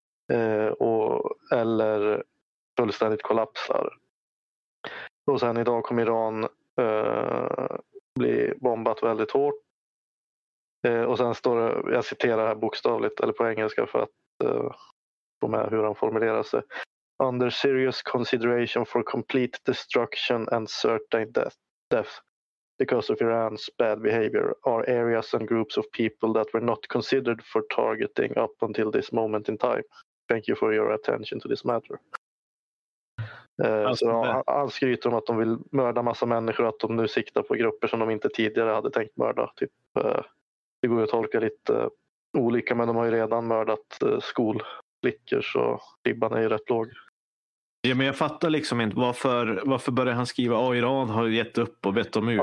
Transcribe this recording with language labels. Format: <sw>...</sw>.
<sv>Eller fullständigt kollapsar. Och sen idag kommer Iran bli bombat väldigt hårt. Och sen står det, jag citerar här bokstavligt, eller på engelska för att få med hur han formulerar sig.</sv> <en>Under serious consideration for complete destruction and certain death because of Iran's bad behavior are areas and groups of people that were not considered for targeting up until this moment in time. Thank you for your attention to this matter.</en> <sv>Alltså, han skryter om att de vill mörda massa människor, att de nu siktar på grupper som de inte tidigare hade tänkt mörda, typ. Det går att tolka lite olika, men de har ju redan mördat skolflickor, så ribban är ju rätt låg. Ja, men jag fattar liksom inte varför började han skriva att Iran har gett upp och bett om ursäkt.</sv>